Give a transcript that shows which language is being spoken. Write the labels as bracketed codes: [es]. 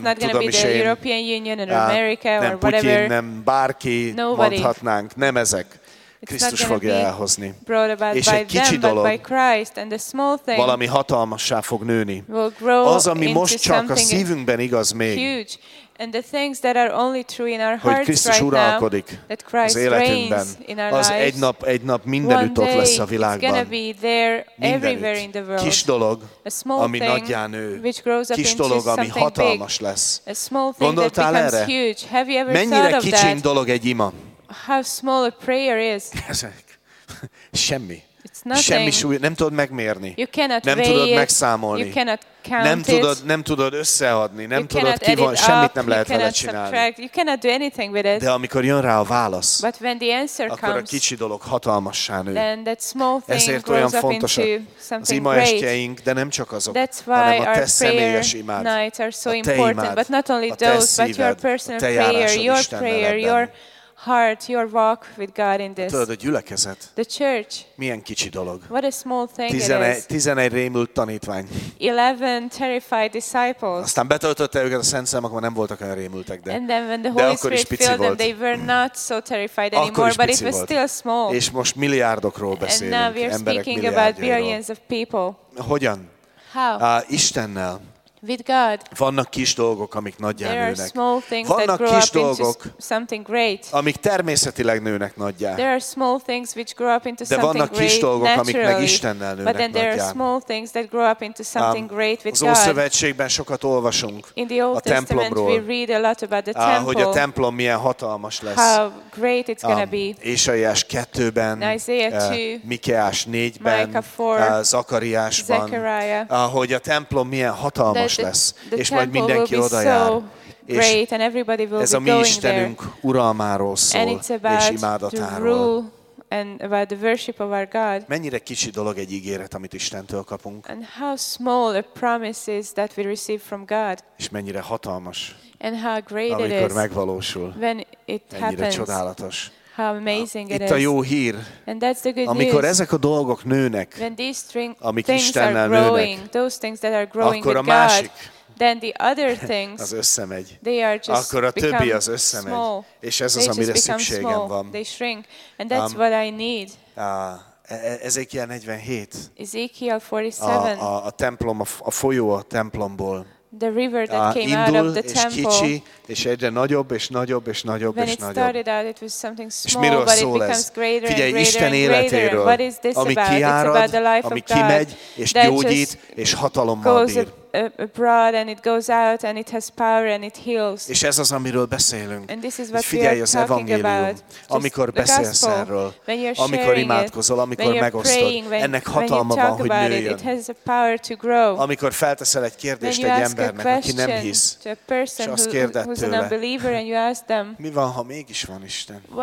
[hu] nem tudom is [en] European Union and America, [hu] nem [en] or Putin, whatever. [hu] Nem bárki, [en] nobody. [hu] Mondhatnánk, nem ezek. Krisztus fogja elhozni. És egy kicsi [en] them, [hu] dolog, valami hatalmassá fog nőni. Az, ami most csak a szívünkben igaz még, [en] huge. And the things that are only true in our [hu] hogy Krisztus [en] hearts [hu] uralkodik [en] right now, that [hu] az életünkben, [en] in our [hu] az egy nap mindenütt ott lesz a világban. [en] One day it's gonna be there everywhere in the world. [hu] Kis dolog, [en] a small [hu] ami nagyjá nő, [en] which grows up [hu] kis dolog, ami hatalmas [en] big. [hu] Lesz. [en] A small thing [hu] gondoltál [en] that becomes [hu] erre? [en] Huge. Have you ever [hu] mennyire [en] thought of [hu] kicsin [en] that? [hu] Dolog egy ima? [en] How small a prayer is. [hu] Semmi. [en] It's nothing. [hu] Semmi súly, nem tudod megmérni. [en] You cannot [hu] nem [en] weigh [hu] tudod megszámolni. [en] You cannot count [hu] nem [en] it. [hu] Tudod, nem tudod összeadni. Nem [en] you [hu] tudod [en] cannot [hu] kivon, [en] add it [hu] semmit [en] up. [hu] Nem lehet [en] you [hu] vele [en] cannot [hu] csinálni. [en] Subtract. You cannot do anything with it. [hu] De amikor jön rá a válasz, [en] but when the answer [hu] akkor [en] comes, [hu] a kicsi dolog hatalmassá nő. [en] Then that small thing [hu] ezért [en] grows [hu] olyan fontos [en] into [hu] az ima estjeink, de nem csak azok, [en] that's why [hu] hanem a te [en] our [hu] személyes imád, [en] nights are so [hu] a te imád, [en] but not only those, [hu] a te szíved, [en] but your personal prayer, your [hu] Istennel [en] prayer, your heart, your walk with God in this. [hu] Tudod, a gyülekezet. [en] The church. [hu] Milyen kicsi dolog. [en] What a small thing [hu] 11 rémült tanítvány. [en] 11 terrified disciples. [hu] Aztán betöltötte őket a Szent Szellem, akkor nem voltak olyan rémültek, de. [en] And then when the Holy Spirit filled them, they were not so terrified anymore, but it was still small. [hu] És most milliárdokról beszélünk. [en] And now we are speaking about billions of people. [hu] Hogyan? [en] How? [hu] Istennel. [en] With God. [hu] Vannak kis dolgok, amik nagyjá [en] there [hu] nőnek. [en] Small things [hu] vannak [en] that grow [hu] kis [en] up [hu] dolgok, [en] into something great. [hu] Amik természetileg nőnek nagyjá. [en] There are small things which grow up into [hu] de vannak [en] something [hu] kis dolgok, [en] great [hu] amik meg Istennel nőnek [en] but then there [hu] nagyjá. [en] Are small things that grow up into something great with [hu] az Ószövetségben sokat olvasunk [en] in the Old [hu] a templomról, [en] Testament we read a lot about the temple, [hu] hogy a templom milyen hatalmas lesz. [en] How great it's gonna be. [hu] Ésaiás 2-ben, Mikeás 4-ben, Zakariásban, hogy a templom milyen hatalmas lesz, és majd mindenki oda jár. Ez a mi Istenünk uralmáról szól, és imádatáról. [en] And about the worship of our God. [hu] Mennyire kicsi dolog egy ígéret, amit Istentől kapunk. [en] And how small a promise is that we receive from God. [hu] És mennyire hatalmas. [en] And how great it is. [hu] Amikor megvalósul. [en] When it happens. [hu] Mennyire csodálatos. [en] How amazing [hu] itt [en] it is. [hu] A jó hír. [en] And that's the good [hu] amikor [en] news. [hu] Ezek a dolgok nőnek, [en] when these things [hu] amik Istennel nőnek, [en] those things that are growing [hu] akkor [en] with [hu] a másik, [en] God, then the other things, [hu] az összemegy. [en] They are just [hu] akkor a többi az összemegy. [en] Small. [hu] És ez az, amire szükségem [en] small. [hu] Van. [en] They shrink. And that's what I need. [hu] Ezekiel 47. [en] Ezekiel 47. [hu] A templom, a folyó a templomból. [en] The river that came [hu] indul, [en] out of the temple. [hu] És kicsi, és egyre nagyobb, és nagyobb, és nagyobb, [en] when [hu] és nagyobb. [en] When it started out, it was something small, [hu] és miről szól [en] but it Becomes greater [hu] figyelj, [en] and greater [hu] Isten [en] and greater. What is this [hu] ami [en] about? [hu] Kiárad, [en] it's about the life [hu] ami [en] of God [hu] kimegy, és [en] that [hu] gyógyít, [en] just [hu] és hatalommal [en] goes [hu] bír. [en] Abroad, and it goes out, and it has power, and it heals. [hu] És ez az, amiről beszélünk. [en] And this is what [hu] figyelj, [en] we are talking about. [hu] Amikor beszélsz erről, amikor imátkozol, amikor megosztod, ennek hatalma van, hogy nőjön. [en] It has a power to grow. [hu] Amikor felteszel egy kérdést egy embernek, aki nem hisz, és azt kérded tőle, mi van, ha mégis van Isten?